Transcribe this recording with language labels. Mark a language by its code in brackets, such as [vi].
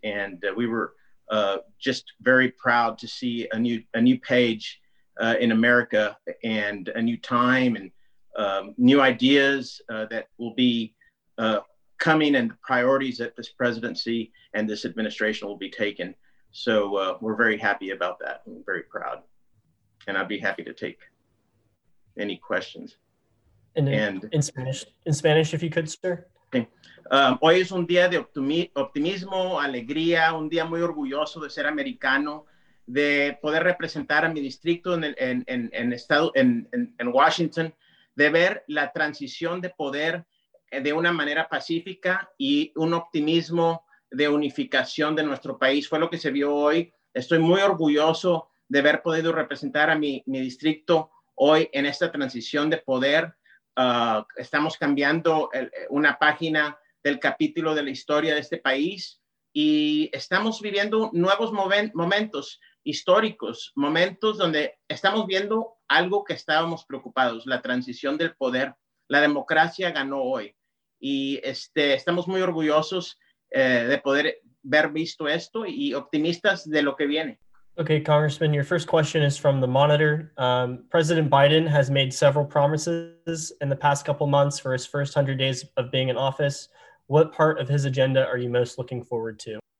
[en] And we were just very proud to see a new page in America and a new time and new ideas that will be coming and priorities that this presidency and this administration will be taking. So we're very happy about that. I'm very proud. And I'd be happy to take any questions. And in Spanish, if you could, sir. Okay. [es] Hoy es un día de optimismo, alegría, un día muy orgulloso de ser americano, de poder representar a mi distrito en Washington, de ver la transición de poder de una manera pacífica y un optimismo de unificación de nuestro país. Fue lo que se vio hoy. Estoy muy orgulloso de haber podido representar a mi distrito hoy en esta transición de poder. Estamos cambiando una página del capítulo de la historia de este país y estamos viviendo nuevos momentos históricos, momentos donde estamos viendo algo que estábamos preocupados, la transición del poder. La democracia ganó hoy y estamos muy orgullosos de poder haber visto esto y optimistas de lo que viene. [en] Okay, Congressman, your first question is from the Monitor. President Biden has made several promises in the past couple months for his first 100 days of being in office. What part of his agenda are you most looking forward to?